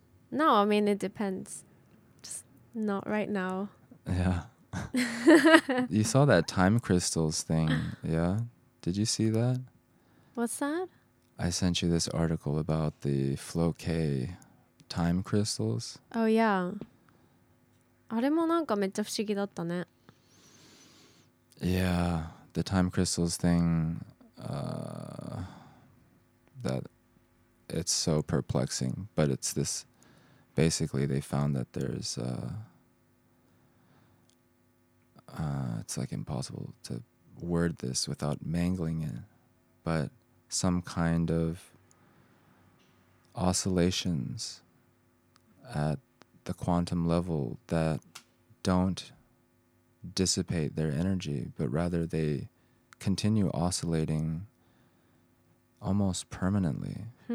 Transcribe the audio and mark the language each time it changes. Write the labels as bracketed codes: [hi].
[en] No, I mean, it depends. Just not right now. Yeah. You saw that time crystals thing, yeah? Did you see that? What's that? I sent you this article about the Floquet time crystals. Oh, yeah. [ja] あれもなんかめっちゃ不思議だったね。 [en] Yeah, the time crystals thing, that it's so perplexing, but it's this, basically they found that there's, it's like impossible to word this without mangling it, but some kind of oscillations at the quantum level that don't dissipate their energy, but rather they continue oscillating almost permanently.